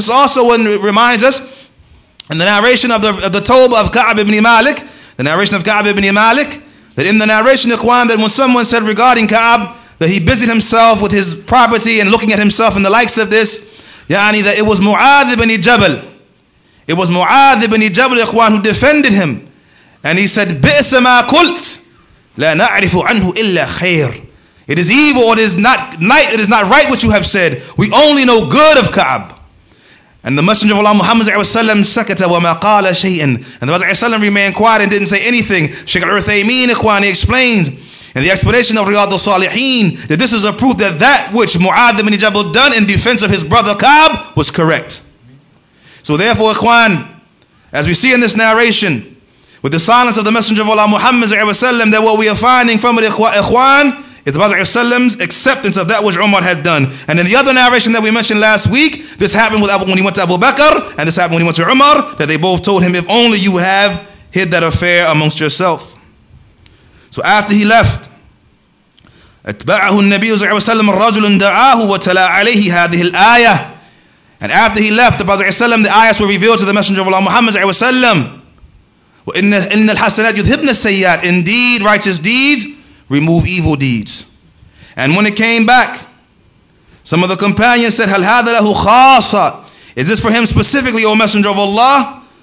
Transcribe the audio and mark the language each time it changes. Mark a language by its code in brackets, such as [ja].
[en] This also reminds us, and the narration of the Tawbah of Ka'b ibn Malik, the narration of Ka'b ibn Malik, that in the narration, ikhwan, that when someone said regarding Ka'b, that he busied himself with his property and looking at himself and the likes of this, yani that it was Mu'adh ibn Jabal. It was Mu'adh ibn Jabal, ikhwan, who defended him. And he said, [ar] بِئْسَ مَا قُلْتْ لَا نَعْرِفُ عَنْهُ إِلَّا خَيْرٌ. [en] It is evil, or it is not right what you have said. We only know good of Ka'b. And the Messenger of Allah Muhammad [ar] sakata wa ma qala shay'in. [en] And the Messenger remained quiet and didn't say anything. Shaykh al-Uthaymeen, ikhwan, he explains in the explanation of Riyadh al-Saliheen that this is a proof that that which Mu'adh ibn Jabal done in defense of his brother Ka'b was correct. So therefore, ikhwan, as we see in this narration, with the silence of the Messenger of Allah Muhammad sallam, that what we are finding from it, ikhwan, it's the Prophet's acceptance of that which Umar had done. And in the other narration that we mentioned last week, this happened with when he went to Abu Bakr, and this happened when he went to Umar, that they both told him, if only you would have hid that affair amongst yourself. So after he left, [ar] اتبعه النبي صلى الله عليه وسلم الرجل دعاه وتلا عليه هذه الآية. [en] And after he left, the Prophet, the ayahs were revealed to the Messenger of Allah Muhammad صلى الله عليه وسلم. [ar] وإن السيئات. [en] Indeed, righteous deeds remove evil deeds. And when it came back, some of the companions said, [ar] هَلْ هَذَا لَهُ خَاصَةٌ. [en] Is this for him specifically, O Messenger of Allah?